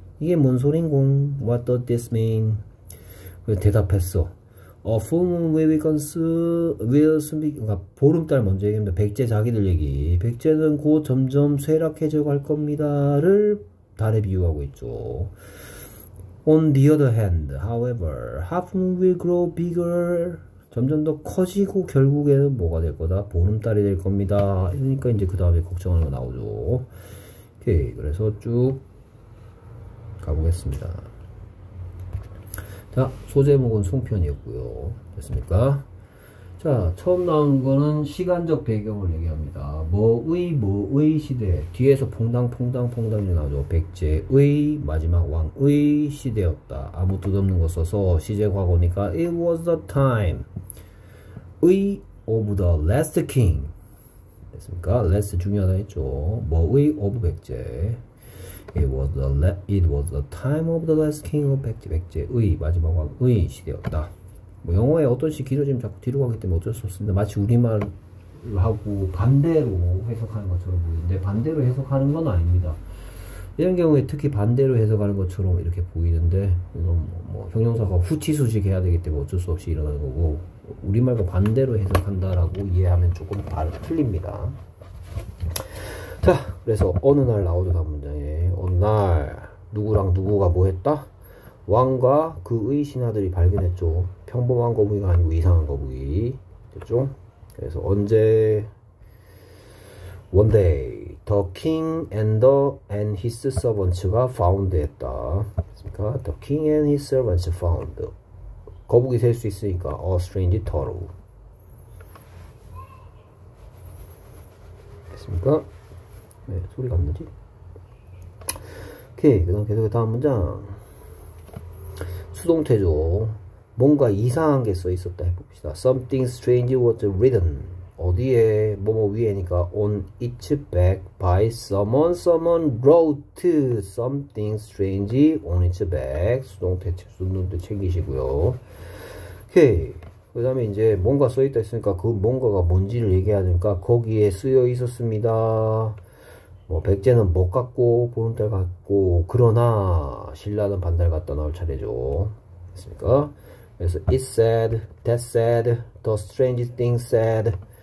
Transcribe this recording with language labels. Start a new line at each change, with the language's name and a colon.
Korean: 이게 뭔 소린공?
English: What does this mean?
Korean: 대답했어.
English: A full moon will be consumed, will soon be,
Korean: 그러니까 보름달 먼저 얘기합니다. 백제 자기들 얘기. 백제는 곧 점점 쇠락해져 갈 겁니다를 달에 비유하고 있죠.
English: On the other hand, however, half moon will grow bigger.
Korean: 점점 더 커지고 결국에는 뭐가 될 거다? 보름달이 될 겁니다. 이러니까 이제 그 다음에 걱정하는 거 나오죠. 오케이. 그래서 쭉 가보겠습니다. 자, 소제목은 송편이었고요. 됐습니까? 자, 처음 나온 거는 시간적 배경을 얘기합니다. 뭐의 시대. 뒤에서 퐁당퐁당퐁당이 나오죠. 백제의 마지막 왕의 시대였다. 아무 뜻없는 거 써서 시제 과거니까
English: It was the time.
Korean: 의 of the last king. 됐습니까? last 중요하다 했죠. 뭐의 of 백제.
English: It was the time of the last king of 백제.
Korean: 백제의 마지막 왕의 시대였다. 뭐 영어에 어떤 식 길어지면 자꾸 뒤로 가기 때문에 어쩔 수 없습니다. 마치 우리말하고 반대로 해석하는 것처럼 보이는데 반대로 해석하는 건 아닙니다. 이런 경우에 특히 반대로 해석하는 것처럼 이렇게 보이는데 이건 뭐 형용사가 후치수식 해야 되기 때문에 어쩔 수 없이 일어나는 거고, 우리말과 반대로 해석한다라고 이해하면 조금 틀립니다. 자, 그래서 어느 날 나오죠, 단문장에. 어느 날 누구랑 누구가 뭐 했다? 왕과 그의 신하들이 발견했죠. 평범한 거북이가 아니고 이상한 거북이. 됐죠? 그래서 언제?
English: One day, the king and his servants가 found 했다. 그러니까 the king and his servants found.
Korean: 거북이 셀수 있으니까
English: a strange turtle.
Korean: 됐습니까? 네, 소리가 안 나지? 오케이, 그다음 계속해서 다음 문장. 수동태죠. 뭔가 이상한 게써 있었다 해봅시다.
English: Something strange was written.
Korean: 어디에? 뭐뭐 위에니까
English: on its back by someone. Someone wrote something strange on its back.
Korean: 수동태 챙기시고요. 오케이. 그 다음에 이제 뭔가 써 있다 했으니까 그 뭔가가 뭔지를 얘기해야 되니까 거기에 쓰여 있었습니다. 뭐 백제는 못 갔고 보름달 갔고 그러나 신라는 반달 갔다 나올 차례죠. 됐습니까?
English: 그래서 it said, that said, the strange thing said.